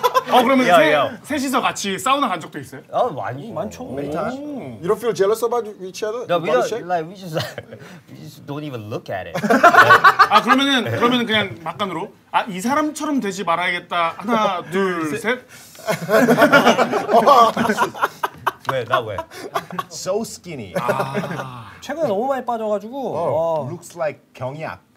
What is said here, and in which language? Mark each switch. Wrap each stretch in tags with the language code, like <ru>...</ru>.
<ko>어, 그러면 셋이서 같이 사우나 간 적도 있어요? 아, 많이. 많죠.</ko> <en>Many times. You don't feel jealous about each other? No, we don't. Like, we just don't even look at it.</en> <ko>아, 그러면 그냥 막간으로. 아, 이 사람처럼 되지 말아야겠다. 하나, 둘, 셋. 왜? 나 왜?</ko> <en>So skinny.</en> <ko>최근에 너무 많이 빠져가지고.</ko> <en>Looks like 경약.</en>